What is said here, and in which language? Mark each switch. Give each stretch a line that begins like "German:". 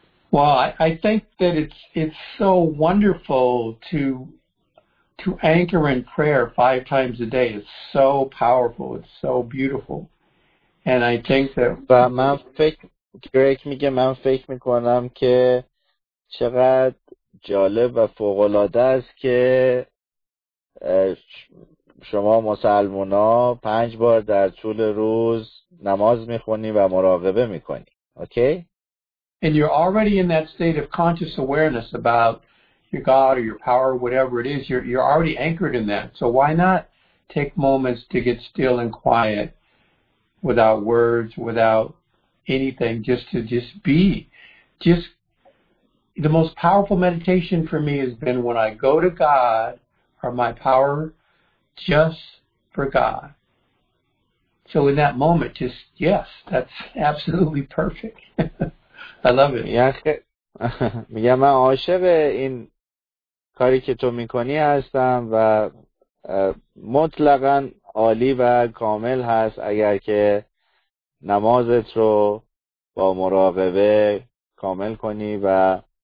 English: Well, I think that it's so wonderful to anchor in prayer 5 times a day. It's so powerful. It's so beautiful. And I think that. But
Persian: من فکر گریک میگه من فکر میکنم که چقدر جالب و فوق العاده است که شما مسلمونا 5 بار در طول روز نماز میخونی و مراقبه میکنی اوکی
English: and you're already in that state of conscious awareness about your god or your power or whatever it is you're already anchored in that so why not take moments to get still and quiet without words without anything just to be just the most powerful meditation for me has been when I go to god or my power just for God. So in that moment, just, yes, that's absolutely perfect. I love it.
Persian: میگم من عاشق این کاری که تو میکنی هستم و مطلقاً عالی و کامل هست اگر که نمازت رو با مراقبه کامل کنی و